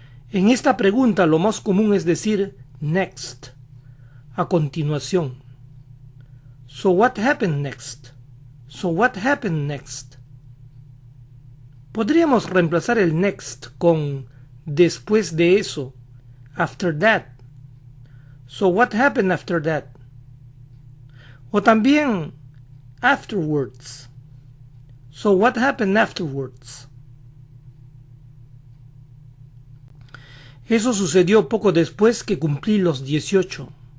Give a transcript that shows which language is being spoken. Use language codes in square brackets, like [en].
[es] En esta pregunta lo más común es decir next, a continuación. [en] So what happened next? So what happened next? [es] Podríamos reemplazar el next con después de eso, [en] after that. So what happened after that? [es] O también [en] afterwards. So what happened afterwards? [es] Eso sucedió poco después que cumplí los 18.